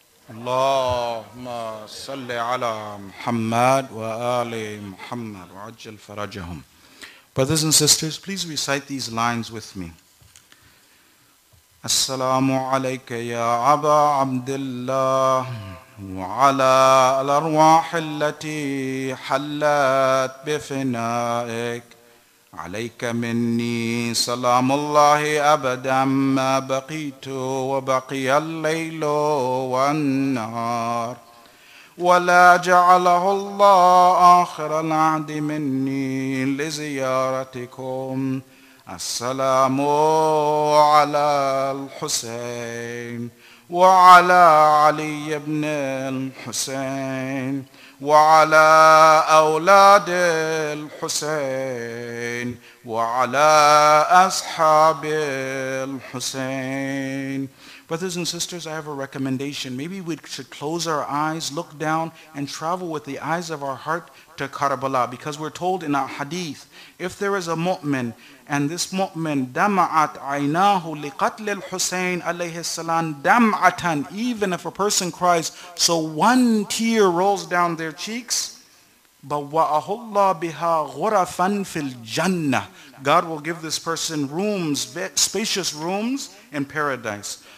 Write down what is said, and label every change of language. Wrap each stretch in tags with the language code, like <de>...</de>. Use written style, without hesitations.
<ar>اللهم صل على محمد وآل محمد وعجل فرجهم.</ar> <en>Brothers and sisters, please recite these lines with me.</en> <ar>السلام عليك يا أبا عبد الله وعلى الأرواح التي حلت بفنائك عليك مني سلام الله أبدا ما بقيت وبقي الليل والنهار ولا جعله الله آخر العهد مني لزيارتكم السلام على الحسين وعلى علي بن الحسين وعلى أولاد الحسين وعلى أصحاب الحسين.</ar> <en>Brothers and sisters, I have a recommendation. Maybe we should close our eyes, look down, and travel with the eyes of our heart to Karbala, because we're told in a hadith, if there is a mu'min, and this mu'min,</en> <ar>dama'at aynahu liqatlil Hussein alayhi salam dam'atan,</ar> <en>even if a person cries, so one tear rolls down their cheeks,</en> <ar>bawa'ahullah biha ghurafan fil jannah,</ar> <en>God will give this person rooms, spacious rooms in paradise.</en>